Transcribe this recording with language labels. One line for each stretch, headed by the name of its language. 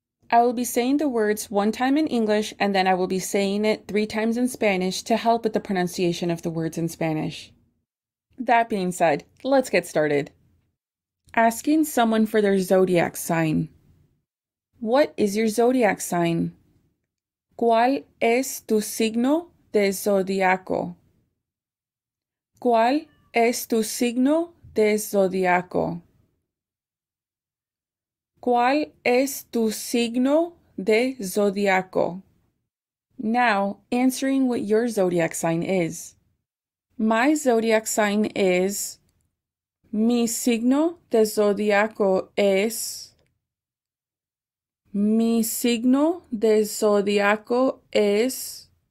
English: I will be saying the words one time in English and then I will be saying it three times in Spanish to help with the pronunciation of the words in Spanish. That being said, let's get started. Asking someone for their zodiac sign. What is your zodiac sign?
Spanish: ¿Cuál es tu signo de zodiaco? ¿Cuál es tu signo de zodiaco? ¿Cuál es tu signo de zodiaco?
English: Now, answering what your zodiac sign is. My zodiac sign is.
Spanish: Mi signo de zodiaco es. Mi signo de zodiaco es.